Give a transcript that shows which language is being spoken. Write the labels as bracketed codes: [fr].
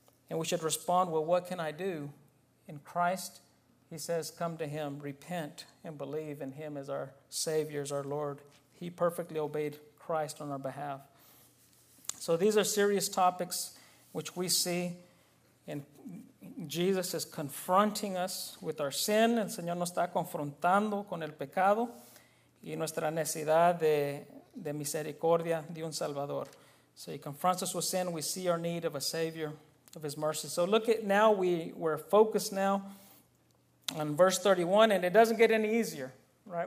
[en] And we should respond, well, what can I do? In Christ, he says, come to him, repent, and believe in him as our Savior, as our Lord. He perfectly obeyed Christ on our behalf. So these are serious topics which we see, and Jesus is confronting us with our sin. [es] El Señor nos está confrontando con el pecado y nuestra necesidad de misericordia de un Salvador. [en] So he confronts us with sin. We see our need of a Savior, of his mercy. So look at now, we're focused now on verse 31, and it doesn't get any easier, right?